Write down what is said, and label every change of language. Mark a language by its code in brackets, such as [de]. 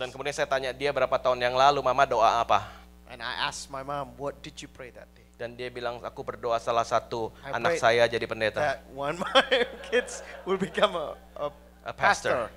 [id] Dan kemudian saya tanya dia berapa tahun yang lalu mama doa apa? [en] And I asked my mom, "What did you pray that day?" [id] Dan dia bilang aku berdoa salah satu anak saya jadi pendeta. [en] That one my kids will become a pastor.